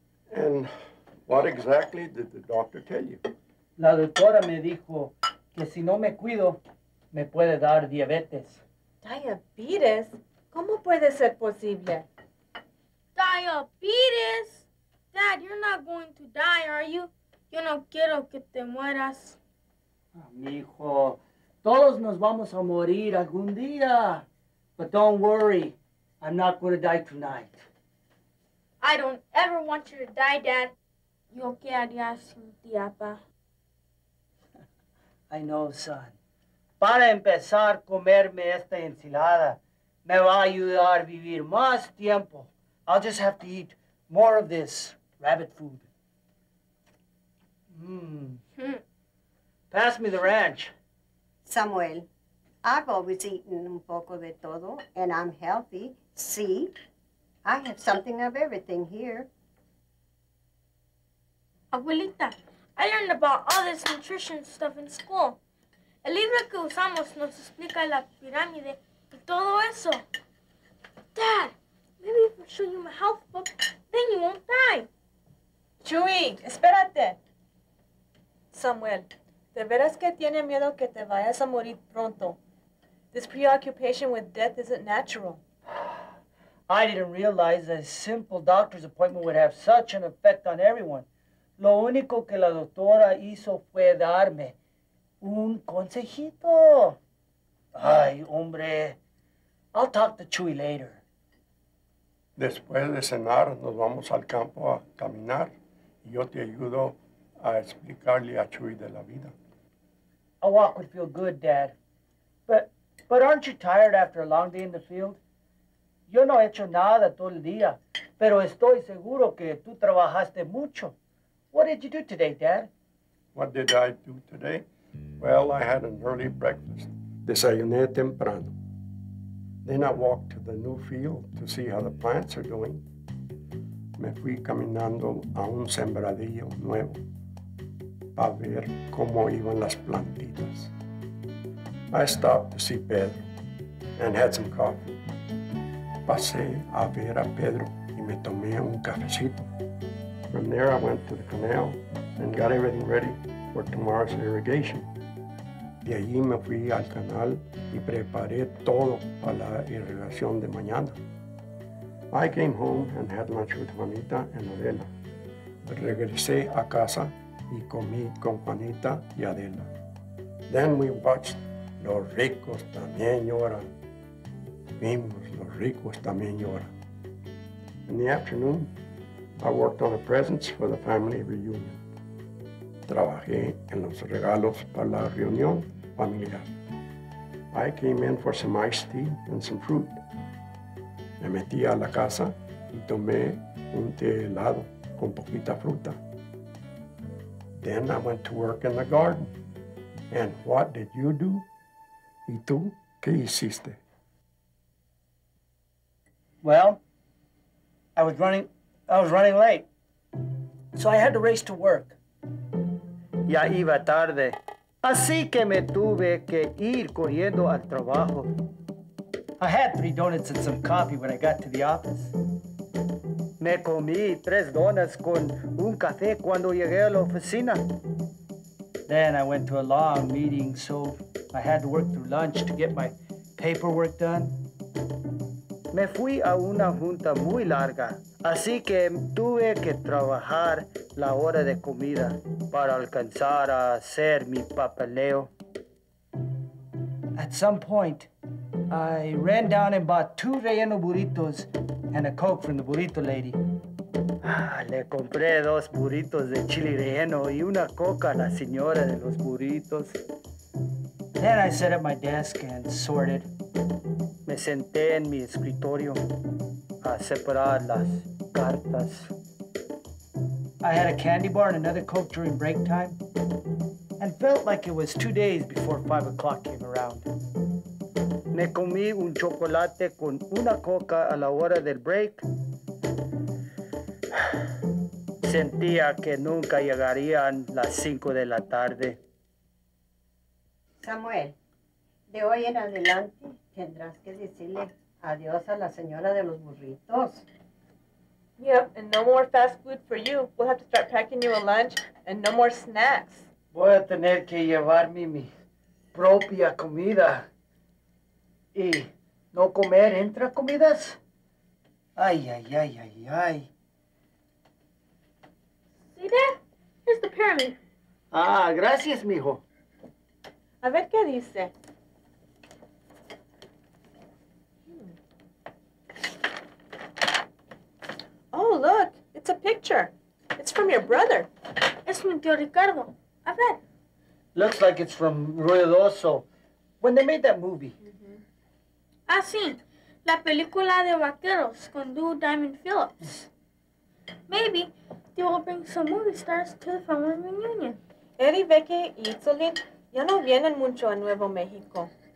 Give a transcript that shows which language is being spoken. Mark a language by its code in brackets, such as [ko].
[en] And what exactly did the doctor tell you? [es] La doctora me dijo que si no me cuido, me puede dar diabetes. ¿Diabetes? ¿Cómo puede ser posible? ¿Diabetes? [en] Dad, you're not going to die, are you? [es] Yo no quiero que te mueras. Mijo, todos nos vamos a morir algún día. [en] But don't worry, I'm not going to die tonight. I don't ever want you to die, Dad. [es] Yo quería sin ti, papá. [en] I know, son. [es] Para empezar, comerme esta ensalada me va a ayudar a vivir más tiempo. [en] I'll just have to eat more of this rabbit food. Pass me the ranch. Samuel, I've always eaten [es] un poco de todo, [en] and I'm healthy. See, I have something of everything here. Abuelita, I learned about all this nutrition stuff in school. [es] El libro que usamos nos explica la pirámide y todo eso. [en] Dad, maybe if I show you my health book, then you won't die. [es] Chuy, espérate. Samuel. De veras que tiene miedo que te vayas a morir pronto. [en] This preoccupation with death isn't natural. I didn't realize a simple doctor's appointment would have such an effect on everyone. [es] Lo único que la doctora hizo fue darme un consejito. Ay, hombre. [en] I'll talk to Chuy later. [es] Después de cenar, nos vamos al campo a caminar. Y yo te ayudo a explicarle a Chuy de la vida. [en] A walk would feel good, Dad. But aren't you tired after a long day in the field? [es] Yo no he hecho nada todo el día, pero estoy seguro que tú trabajaste mucho. [en] What did you do today, Dad? What did I do today? Well, I had an early breakfast. [es] Desayuné temprano. [en] Then I walked to the new field to see how the plants are doing. [es] Me fui caminando a un sembradillo nuevo. A ver cómo iban las plantitas. [en] I stopped to see Pedro and had some coffee. [es] Pasé a ver a Pedro y me tomé un cafecito. [en] From there I went to the canal and got everything ready for tomorrow's irrigation. [es] De allí me fui al canal y preparé todo para la irrigación de mañana. [en] I came home and had lunch with Juanita and Adela. [es] Regresé a casa y comí con Juanita y Adela. [en] Then we watched Los Ricos También Lloran. [es] Vimos Los Ricos También Lloran. [en] In the afternoon, I worked on the presents for the family reunion. [es] Trabajé en los regalos para la reunión familiar. [en] I came in for some iced tea and some fruit. [es] Me metí a la casa y tomé un té helado con poquita fruta. [en] Then I went to work in the garden. And what did you do? [es] ¿Y tú qué hiciste? [en] Well, I was running late. So I had to race to work. [es] Ya iba tarde Así que me tuve que ir corriendo al trabajo. [en] I had 3 donuts and some coffee when I got to the office. [es] Me comí 3 donuts con un café cuando llegué a la oficina. [en] Then I went to a long meeting, so I had to work through lunch to get my paperwork done. [es] Me fui a una junta muy larga, así que tuve que trabajar la hora de comida para alcanzar a hacer mi papeleo. [en] At some point, I ran down and bought 2 relleno burritos and a Coke from the burrito lady. [es] Le compré 2 burritos de chile relleno y una coca a la señora de los burritos. [en] Then I sat at my desk and sorted. [es] Me senté en mi escritorio a separar las cartas. [en] I had a candy bar and another Coke during break time and felt like it was 2 days before 5 o'clock came around. [es] Me comí un chocolate con una coca a la hora del break. Sentía que nunca llegarían las 5 de la tarde. Samuel, de hoy en adelante tendrás que decirle adiós a la señora de los burritos. [en] Yep, and no more fast food for you. We'll have to start packing you a lunch and no more snacks. [es] Voy a tener que llevarme mi propia comida. ¿Y no comer entra comidas? Ay, ay, ay, ay, ay. [en] See, Dad? Here's the pyramid. [es] Ah, gracias, mijo. A ver qué dice. [en] Oh, look, it's a picture. It's from your brother. [es] Es mi tío Ricardo. A ver. [en] Looks like it's from Ruidoso, when they made that movie. [es] Ah, sí. La película de vaqueros con Lou Diamond Phillips. [en] Maybe they will bring some movie stars to the family reunion. [es] Eddie, Becky y Itzelin ya no vienen mucho a Nuevo México.